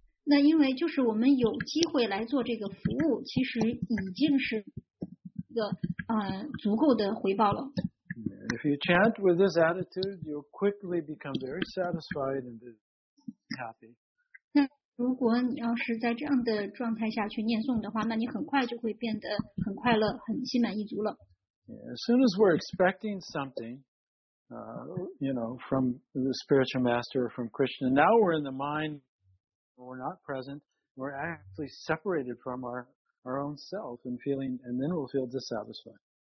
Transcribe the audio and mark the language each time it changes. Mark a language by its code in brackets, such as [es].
[zh] 那因为就是我们有机会来做这个服务，其实已经是一个足够的回报了。 [en] If you chant with this attitude, you'll quickly become very satisfied and happy. [zh] 如果你要是在这样的状态下去念诵的话，那你很快就会变得很快乐，很心满意足了。 [en] As soon as we're expecting something, from the spiritual master or from Krishna, now we're in the mind, we're not present, we're actually separated from our own self and feeling, and then we'll feel dissatisfied.